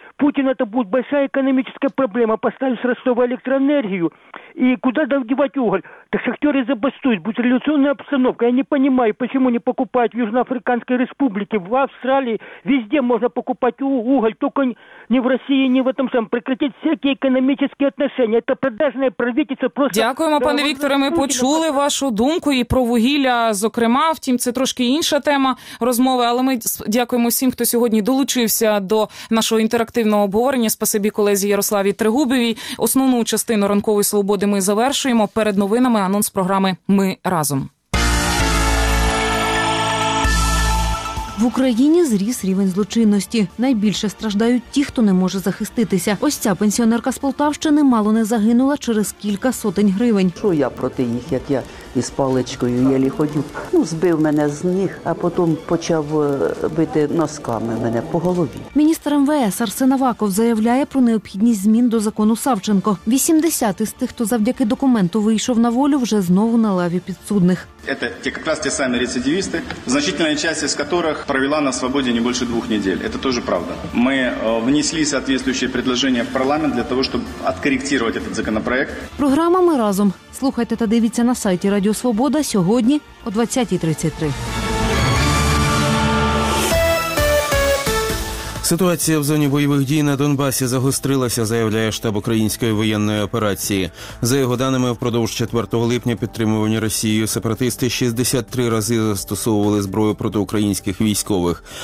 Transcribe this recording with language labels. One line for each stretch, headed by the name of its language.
Russian: Путин, это будет большая экономическая проблема. Поставить с Ростова электроэнергию. И куда девать уголь? Так шахтеры забастуют. Будет революционная обстановка. Я не понимаю, почему не покупают в Южноафриканской республике, в Австралии. Везде можно покупать уголь. Только не в России, не в этом самом. Прекратить всякие экономические отношения.
Ukrainian: Це продажне правительство просто. Дякуємо, пане Вікторе. Ми почули вашу думку і про вугілля, зокрема. Втім, це трошки інша тема розмови. Але ми дякуємо всім, хто сьогодні долучився до нашого інтерактивного обговорення. Спасибі колезі Ярославі Трегубовій. Основну частину ранкової свободи ми завершуємо. Перед новинами анонс програми «Ми разом». В Україні зріс рівень злочинності. Найбільше страждають ті, хто не може захиститися. Ось ця пенсіонерка з Полтавщини мало не загинула через кілька сотень гривень. Що я проти їх, як я із паличкою єлі ходю? Ну, збив мене з ніг, а потім почав бити носками мене по голові. Міністр МВС Арсен Аваков заявляє про необхідність змін до закону Савченко. 80 із тих, хто завдяки документу вийшов на волю, вже знову на лаві підсудних. Це якраз ті самі рецидивісти,
Russian: значительна частина з яких провела на свободе не больше двух недель. Это тоже правда. Мы внесли соответствующее предложение в парламент для того, чтобы откорректировать этот законопроект. Программа «Мы разом».
Ukrainian: Слушайте та дивіться на сайте Радио Свобода сьогодні о 20:33. Ситуація в зоні бойових дій на Донбасі загострилася, заявляє штаб української воєнної операції. За його даними, впродовж 4 липня підтримувані Росією сепаратисти 63 рази застосовували зброю проти українських військових.